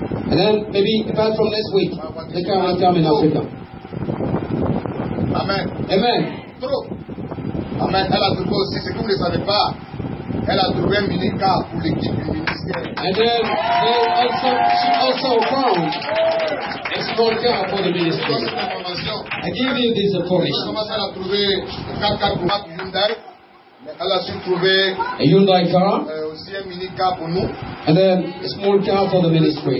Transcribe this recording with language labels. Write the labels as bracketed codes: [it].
[en] And then maybe apart from this week, the car will come in Africa. Amen. Amen. Amen. [fr] Elle a trouvé aussi, si vous ne savez pas, elle a trouvé un mini car pour l'équipe du ministère. [en] And then they also, she also found a small car for the ministry. I give you this information. [fr] Elle a su trouver [en] a Hyundai car, [fr] aussi un mini car pour nous, [en] and then a small car for the ministry.